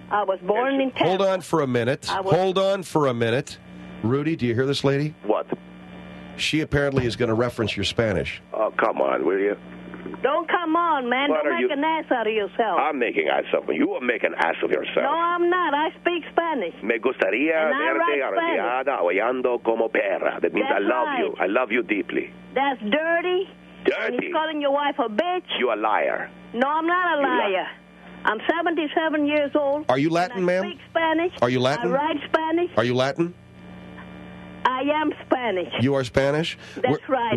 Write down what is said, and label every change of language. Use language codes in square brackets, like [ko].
[en] I was born in Tampa. Hold on for a minute. Hold on for a minute. Rudy, do you hear this lady? What? She apparently is going to reference your Spanish. Oh, come on, will you? Don't come on, man. What don't make an ass out of yourself. I'm making ass of you. You are making ass of yourself. No, I'm not. I speak Spanish. [es] Me gustaría verte arrodillada hablando como perra. [en] That means that's I love right. you. I love you deeply. That's dirty. Dirty. And he's calling your wife a bitch. You a liar. No, I'm not a liar. I'm 77 years old. Are you Latin, ma'am? I speak Spanish. Are you Latin? I write Spanish. Are you Latin? I am Spanish. You are Spanish? That's right.